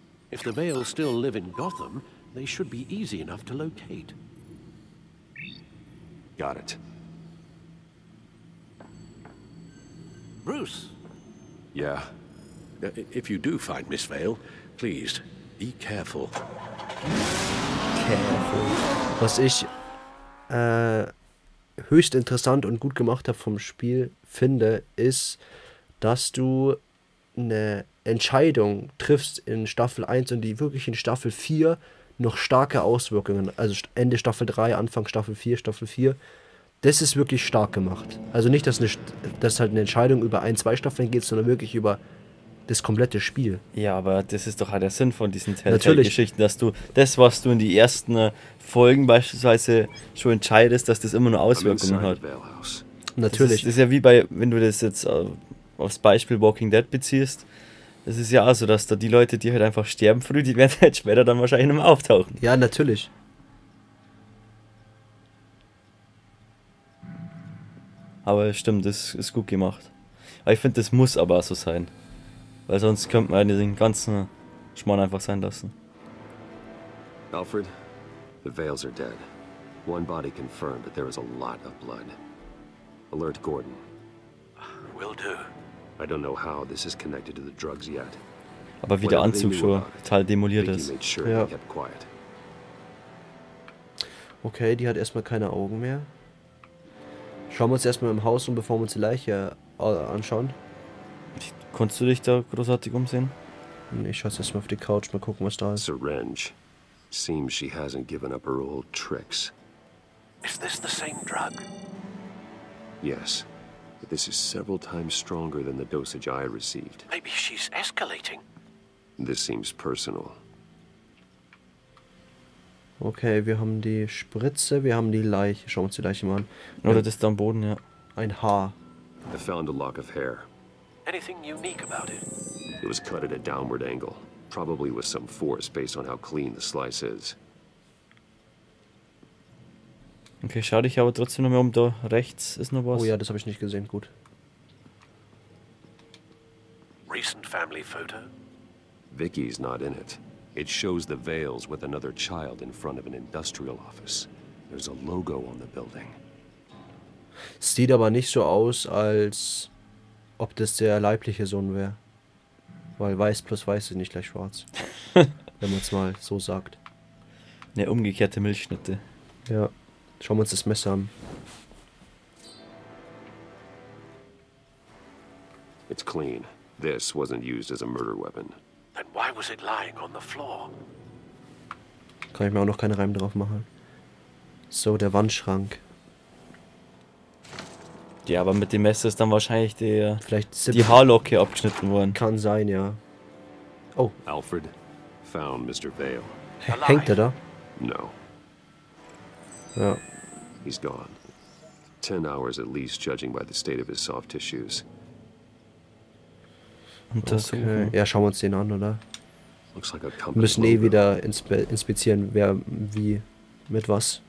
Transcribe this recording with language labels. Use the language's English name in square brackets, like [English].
[English] If the Vales still live in Gotham, they should be easy enough to locate. Got it. Bruce. Yeah. If you do find Miss Vale, please be careful. Careful. [German] Was ich höchst interessant und gut gemacht habe vom Spiel finde, ist, dass du eine Entscheidung triffst in Staffel 1 und die wirklich in Staffel 4 noch starke Auswirkungen, also Ende Staffel 3, Anfang Staffel 4, Staffel 4, das ist wirklich stark gemacht. Also nicht, dass halt eine Entscheidung über ein, zwei Staffeln geht, sondern wirklich über das komplette Spiel. Ja, aber das ist doch halt der Sinn von diesen Telltale-Geschichten, dass du das, was du in die ersten Folgen beispielsweise schon entscheidest, dass das immer nur Auswirkungen hat. natürlich. Das ist ja wie bei, wenn du das jetzt aufs Beispiel Walking Dead beziehst, das ist ja auch so, dass da die Leute, die halt einfach sterben früh, die werden halt später dann wahrscheinlich nicht mehr auftauchen. Ja, natürlich. Aber stimmt, das ist gut gemacht. Aber ich finde, das muss aber so sein. Weil sonst könnte man den ganzen Schmarrn einfach sein lassen. [English] Alfred, the Vales are dead. One body confirmed, but there is a lot of blood. Alert Gordon. Will do. I don't know how this is connected to the drugs yet. [German] Aber wie der Anzug schon total demoliert ist. [English] Sure, ja. Kept quiet. [German] Okay, die hat erstmal keine Augen mehr. Schauen wir uns erstmal im Haus um, bevor wir uns die Leiche anschauen. Konntest du dich da großartig umsehen? Ich schaue erstmal auf die Couch, mal gucken, was da ist. [English] Syringe. Seems she hasn't given up her old tricks. Is this the same drug? Yes, but this is several times stronger than the dosage I received. Maybe she's escalating. This seems personal. [German] Okay, wir haben die Spritze, wir haben die Leiche. Schauen wir uns die Leiche mal an. Oder das ist da am Boden, ja. Ein Haar. [English] I found a lock of hair. Anything unique about it? It was cut at a downward angle. Probably with some force based on how clean the slice is. [German] Okay, schau dich aber trotzdem noch mal um. Da rechts ist noch was. Oh ja, das habe ich nicht gesehen. Gut. [English] Recent family photo? Vicky's not in it. It shows the Vales with another child in front of an industrial office. There's a logo on the building. [German] Sieht aber nicht so aus, als ob das der leibliche Sohn wäre. Weil weiß plus weiß ist nicht gleich schwarz. Wenn man es mal so sagt. Eine umgekehrte Milchschnitte. Ja. Schauen wir uns das Messer an. [English] It's clean. This wasn't used as a murder weapon. Then why was it lying on the floor? [German] Kann ich mir auch noch keine Reim drauf machen. So, der Wandschrank. Ja, aber mit dem Messer ist dann wahrscheinlich der, vielleicht die Haarlocke abgeschnitten worden. Kann sein, ja. Oh. [English] Alfred found Mr. Vale. [German] Hängt er da? [English] No. [German] Ja. [English] He's gone. 10 hours at least, judging by the state of his soft tissues. [German] Und das okay. Ja, schauen wir uns den an, oder? [English] Looks like a company. [German] Müssen eh wieder inspizieren, wer wie mit was.